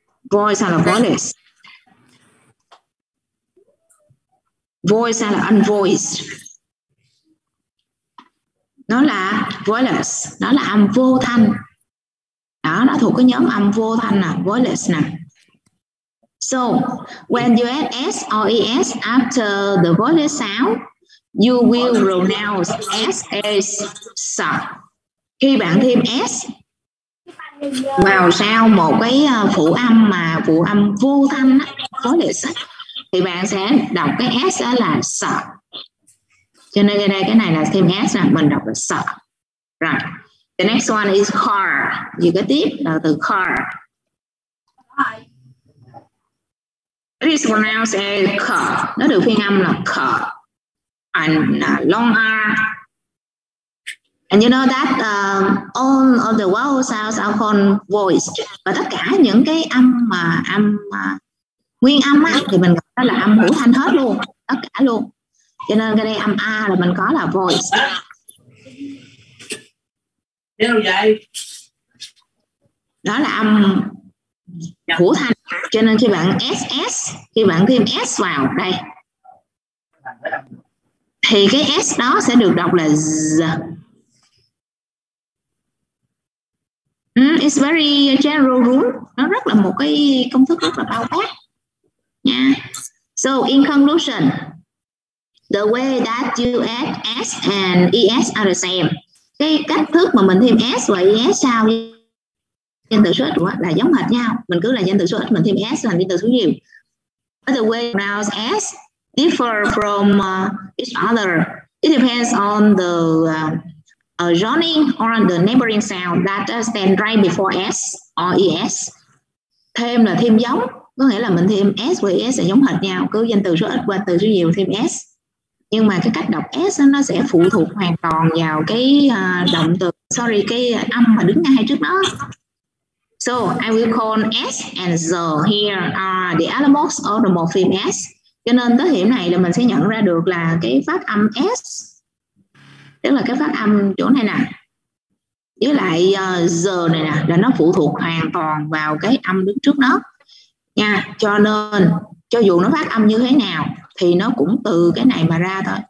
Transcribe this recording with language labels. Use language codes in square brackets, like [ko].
[vi] Voice hay là voiceless? Voice hay là unvoiced? Nó là voiceless, nó là âm vô thanh. Đó, nó thuộc cái nhóm âm vô thanh nè, voiceless nè. [en] So, when you add S or ES after the voiceless sound, you will pronounce S as S. [vi] Khi bạn thêm S vào sau một cái phụ âm mà phụ âm vô thanh á, voiceless, thì bạn sẽ đọc cái S là S. Cho nên đây cái này là thêm S là mình đọc là S. [en] Right. The next one is car. [vi] Vì cái tiếp là từ car. [en] It is pronounced as k. [vi] Nó được phiên âm là k. [en] And long r. And you know that all of the vowel sounds are called voiced. [vi] Và tất cả những cái âm mà âm nguyên âm á thì mình gọi là âm hữu thanh hết luôn, tất cả luôn. Cho nên cái đây âm a là mình có là voiced. Điều vậy. Đó là âm hữu thanh. Cho nên khi bạn SS, khi bạn thêm S vào đây thì cái S đó sẽ được đọc là Z. [en] It's very general rule. [vi] Nó rất là một cái công thức rất là bao quát. [en] So in conclusion, the way that you add S and ES are the same. [vi] Cái cách thức mà mình thêm S và ES sao danh từ số ít là giống hệt nhau, mình cứ là danh từ số ít mình thêm s là danh từ số nhiều. [en] But the way pronounce s differ from each other. It depends on the joining or the neighboring sound that stand right before s or es. [vi] Thêm là thêm giống, có nghĩa là mình thêm s và es là giống hệt nhau, cứ danh từ số ít và từ số nhiều thêm s. Nhưng mà cái cách đọc s nó sẽ phụ thuộc hoàn toàn vào cái động từ, sorry, cái âm mà đứng ngay trước đó. So, I will call S and Z here are the allomorphs of the morpheme S. Cho nên tới hiểm này là mình sẽ nhận ra được là cái phát âm S, tức là cái phát âm chỗ này nè, với lại Z này nè, là nó phụ thuộc hoàn toàn vào cái âm đứng trước nó. Nha. Cho nên, cho dù nó phát âm như thế nào, thì nó cũng từ cái này mà ra thôi.